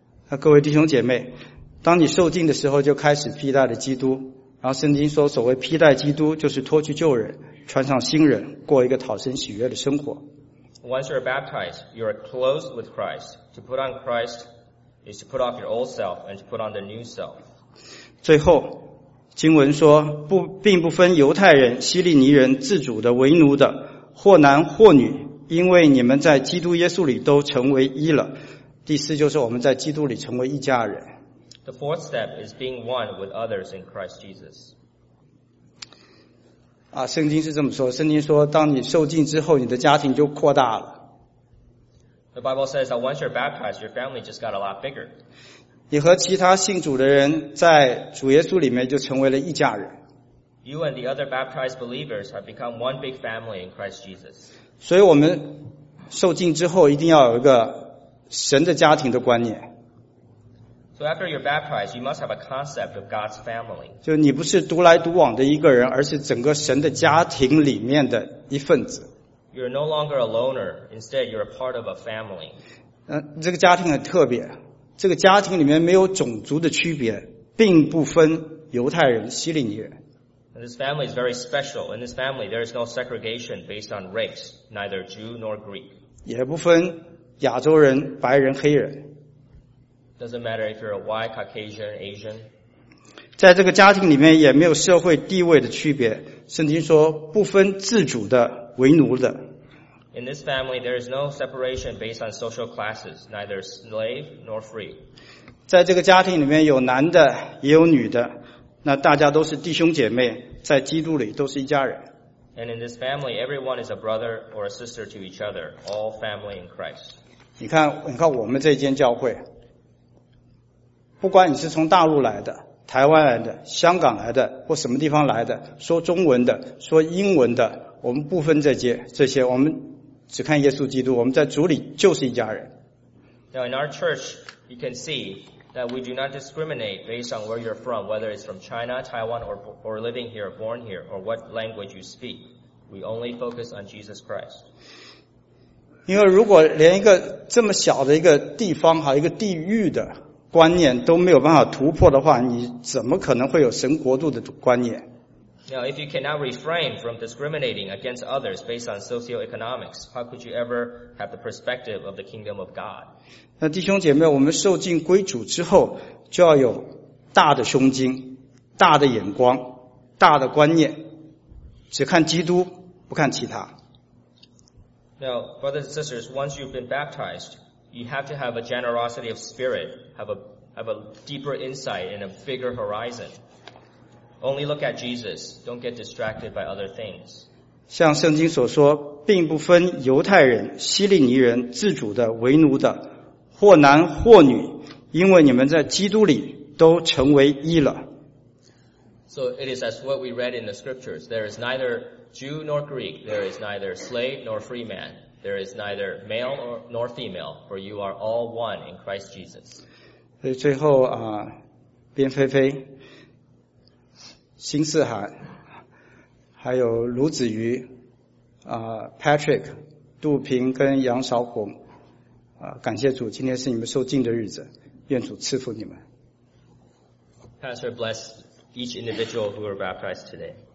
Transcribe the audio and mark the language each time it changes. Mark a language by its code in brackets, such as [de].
[zh] 那各位弟兄姐妹，当你受浸的时候就开始披戴了基督，然后圣经说所谓披戴基督就是脱去旧人，穿上新人，过一个讨神喜悦的生活。 [en] Once you are baptized, you are clothed with Christ to put on Christ. Is to put off your old self and to put on the new self. [zh] 最后，经文说，并不分犹太人、希利尼人、自主的、为奴的，或男或女，因为你们在基督耶稣里都成为一了。第四就是我们在基督里成为一家人。 [en] The fourth step is being one with others in Christ Jesus. [zh] 啊，圣经是这么说，圣经说，当你受浸之后，你的家庭就扩大了。 [en] The Bible says that once you're baptized, your family just got a lot bigger. [zh] 你和其他信主的人在主耶稣里面就成为了一家人。 [en] You and the other baptized believers have become one big family in Christ Jesus. [zh] 所以我们受浸之后一定要有一个神的家庭的观念。 [en] So after you're baptized, you must have a concept of God's family. [zh] 就你不是独来独往的一个人，而是整个神的家庭里面的一份子。 [en] You're no longer a loner. Instead, you're a part of a family. [zh] 这个家庭很特别。这个家庭里面没有种族的区别，并不分犹太人、希利尼人。 [en] This family is very special. In this family, there is no segregation based on race, neither Jew nor Greek. [zh] 也不分亚洲人、白人、黑人。 [en] Doesn't matter if you're a white, Caucasian, Asian. [zh] 在这个家庭里面也没有社会地位的区别。圣经说，不分自主的。为奴的。 [en] In this family, there is no separation based on social classes, neither slave nor free. [zh] 在这个家庭里面有男的，也有女的，那大家都是弟兄姐妹，在基督里都是一家人。 [en] And in this family, everyone is a brother or a sister to each other, all family in Christ. [zh] 你看我们这间教会，不管你是从大陆来的、台湾来的、香港来的，或什么地方来的，说中文的、说英文的。我们不分这些，我们只看耶稣基督，我们在主里就是一家人。 [en] Now in our church, you can see that we do not discriminate based on where you're from, whether it's from China, Taiwan, or living here, born here, or what language you speak. We only focus on Jesus Christ. [zh] 因为如果连一个这么小的一个地方哈，一个地域的观念都没有办法突破的话，你怎么可能会有神国度的观念？ [en] Now, if you cannot refrain from discriminating against others based on socioeconomics, how could you ever have the perspective of the kingdom of God? [zh] 那弟兄姐妹，我们受浸归主之后，就要有大的胸襟、大的眼光、大的观念，只看基督，不看其他。 [en] Now, brothers and sisters, once you've been baptized, you have to have a generosity of spirit, have a deeper insight and a bigger horizon. Only look at Jesus. Don't get distracted by other things. [zh] 像圣经所说，并不分犹太人、希利尼人、自主的、为奴的，或男或女，因为你们在基督里都成为一了。 [en] So it is as what we read in the scriptures. There is neither Jew nor Greek. There is neither slave nor free man. There is neither male nor female, for you are all one in Christ Jesus. [zh] 所以最后啊，边菲菲、辛世涵，还有卢子瑜啊、Patrick、杜平跟杨少红啊，感谢主，今天是你们受浸的日子，愿主赐福你们。 [en] Pastor bless each individual who were baptized today.